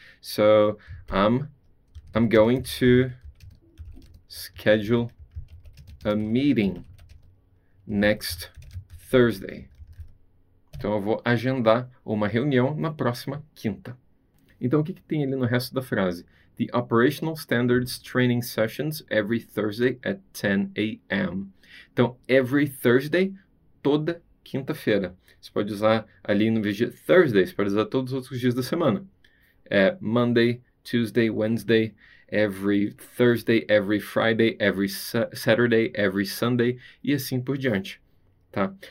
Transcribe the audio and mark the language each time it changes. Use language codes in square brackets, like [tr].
[en] So, I'm going to schedule a meeting next Thursday. [pt] Então, eu vou agendar uma reunião na próxima quinta. Então, o que tem ali no resto da frase? [en] The operational standards training sessions every Thursday at 10 a.m. [pt] Então, [en] every Thursday, [pt] toda quinta-feira. Você pode usar ali no vez de Thursday, você pode usar todos os outros dias da semana. É Monday, Tuesday, Wednesday, every Thursday, every Friday, every Saturday, every Sunday, e assim por diante. Tá?